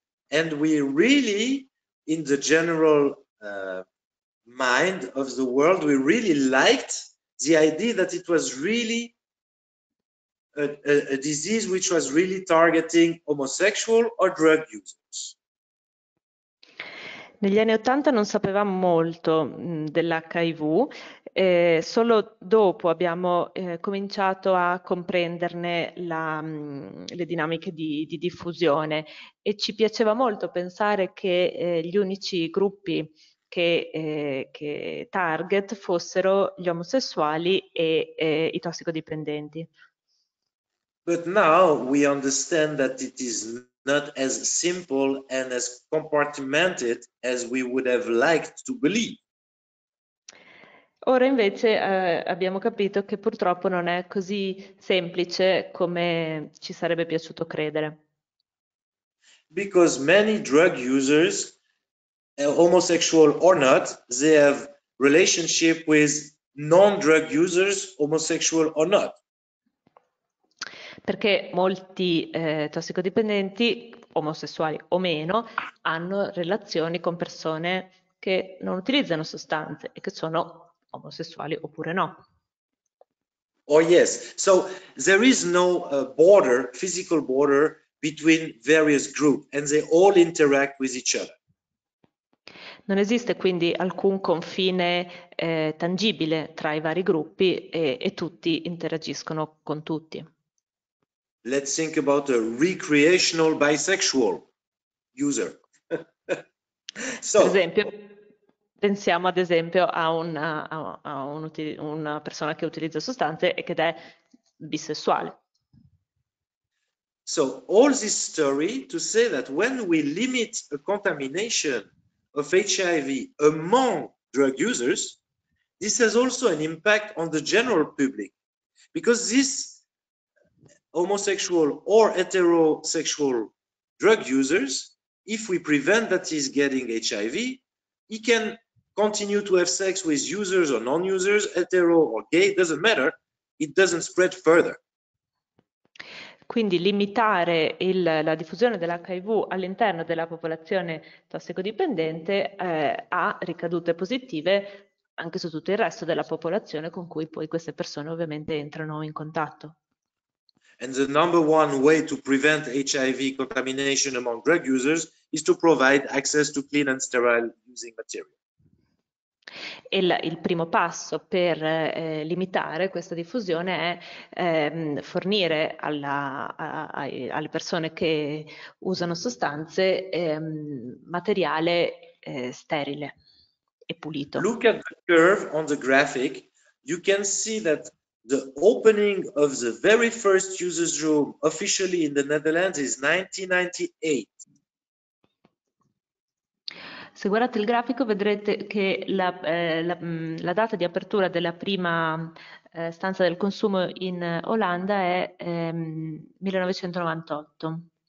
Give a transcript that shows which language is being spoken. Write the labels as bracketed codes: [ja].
[en] And we really, in the general mind of the world, we really liked the idea that it was really a disease which was really targeting homosexual or drug users. [it] Negli anni 80 non sapevamo molto dell'HIV, solo dopo abbiamo cominciato a comprenderne le dinamiche di diffusione e ci piaceva molto pensare che gli unici gruppi che target fossero gli omosessuali e i tossicodipendenti. [en] But now we understand that it is not as simple and as compartmented as we would have liked to believe. [it] Ora invece abbiamo capito che purtroppo non è così semplice come ci sarebbe piaciuto credere. [en] Because many drug users, homosexual or not, they have relationship with non-drug users, homosexual or not. [it] Perché molti tossicodipendenti, omosessuali o meno, hanno relazioni con persone che non utilizzano sostanze e che sono omosessuali oppure no. [en] Oh yes, so there is no border, physical border, between various groups and they all interact with each other. [it] Non esiste quindi alcun confine tangibile tra i vari gruppi e tutti interagiscono con tutti. [en] Let's think about a recreational bisexual user. So, [it] per esempio, pensiamo ad esempio a una persona che utilizza sostanze e che è bisessuale. [en] So all this story to say that when we limit a contamination of HIV among drug users, this has also an impact on the general public, because this homosexual or heterosexual drug users, if we prevent that he's getting HIV, he can continue to have sex with users or non-users, hetero or gay, doesn't matter, it doesn't spread further. [it] Quindi limitare la diffusione dell'HIV all'interno della popolazione tossicodipendente ha ricadute positive anche su tutto il resto della popolazione con cui poi queste persone ovviamente entrano in contatto. [en] And the number one way to prevent HIV contamination among drug users is to provide access to clean and sterile using material. [it] Il primo passo per limitare questa diffusione è fornire alle persone che usano sostanze materiale sterile e pulito. [en] Look at the curve on the graphic. You can see that the opening of the very first users room officially in the Netherlands is 1998. [it] Se guardate il grafico vedrete che la data di apertura della prima stanza del consumo in Olanda è 1998.